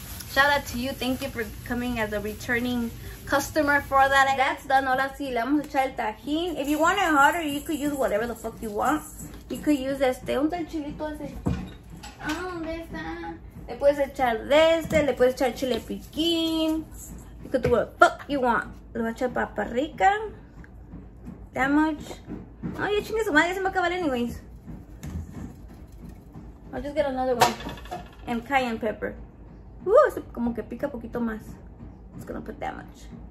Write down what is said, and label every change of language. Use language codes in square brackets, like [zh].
[en] Shout out to you, thank you for coming as a returning customer for that. That's done, [es] ahora sí, le vamos a echar el tajín. [en] If you want it hotter, you could use whatever the fuck you want. You could use [es] este, un chilito ese. Ah, ¿dónde está? Le puedes echar de este, le puedes echar chile piquín. [en] You could do what the fuck you want. [es] Lo voy a echar papa rica. [en] That much. [es] Oh, ya chingue su madre, ya se me va a acabar anyways. [en] I'll just get another one. And cayenne pepper. Woo, [es] eso como que pica poquito más. [en] It's gonna put that much.